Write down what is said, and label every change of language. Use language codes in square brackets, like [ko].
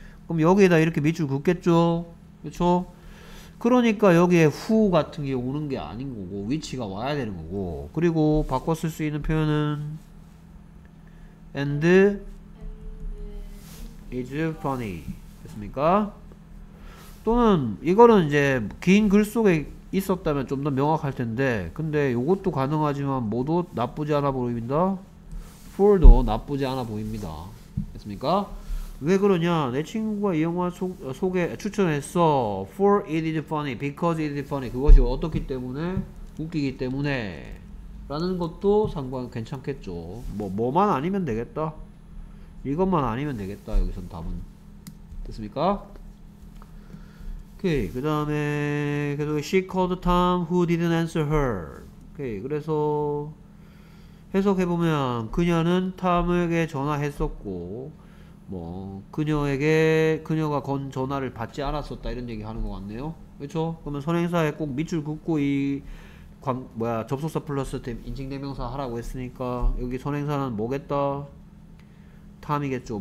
[ko] 그럼 여기에다 이렇게 밑줄 긋겠죠? 그렇죠? 그러니까 여기에 후 같은 게 오는 게 아닌 거고 위치가 와야 되는 거고 그리고 바꿔 쓸수 있는 표현은 and is funny 됐습니까? 또는 이거는 이제 긴글 속에 있었다면 좀더 명확할 텐데, 근데 이것도 가능하지만 모두 나쁘지 않아 보입니다. for도 나쁘지 않아 보입니다. 됐습니까? 왜 그러냐? 내 친구가 이 영화 소개 추천했어. [en] For it is funny, because it is funny. [ko] 그것이 어떻기 때문에 웃기기 때문에라는 것도 상관 괜찮겠죠. 뭐 뭐만 아니면 되겠다. 이것만 아니면 되겠다. 여기선 답은 됐습니까? 오케이. 그 다음에 계속 [en] she called Tom who didn't answer her. [ko] 오케이. 그래서 해석해 보면 그녀는 탐에게 전화했었고. 뭐 그녀에게 그녀가 건 전화를 받지 않았었다 이런 얘기 하는 것 같네요. 그렇죠? 그러면 선행사에 꼭 밑줄 긋고 이 관, 뭐야 접속사 플러스 인칭대명사 하라고 했으니까 여기 선행사는 뭐겠다? 탐이겠죠.